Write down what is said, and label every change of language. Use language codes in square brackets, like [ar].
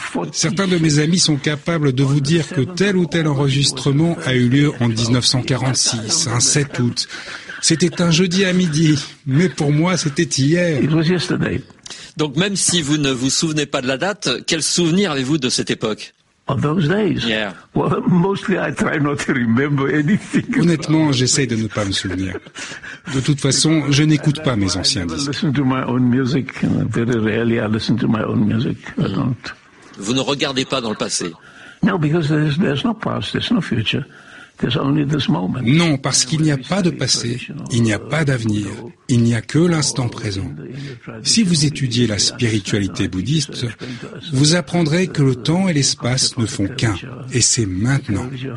[fr] Certains de mes amis sont capables de vous dire que tel ou tel enregistrement a eu lieu en 1946, un 7 août. C'était un jeudi à midi, mais pour moi, c'était hier. [en] It was yesterday. [fr] Donc même si vous ne vous souvenez pas de la date, quel souvenir avez-vous de cette époque? [en] Of those days. Yeah. Well, mostly I try not to remember anything. [fr] Honnêtement, j'essaie de ne pas me souvenir. De toute façon, je n'écoute pas mes anciens disques. [en] I listen to my own music. Very rarely I listen to my own music. I don't. [fr] Vous ne regardez pas dans le passé? [en] No, because there's no past, there's no future. [fr] Non, parce qu'il n'y a pas de passé, il n'y a pas d'avenir, il n'y a que l'instant présent. Si vous étudiez la spiritualité bouddhiste, vous apprendrez que le temps et l'espace ne font qu'un, et c'est maintenant.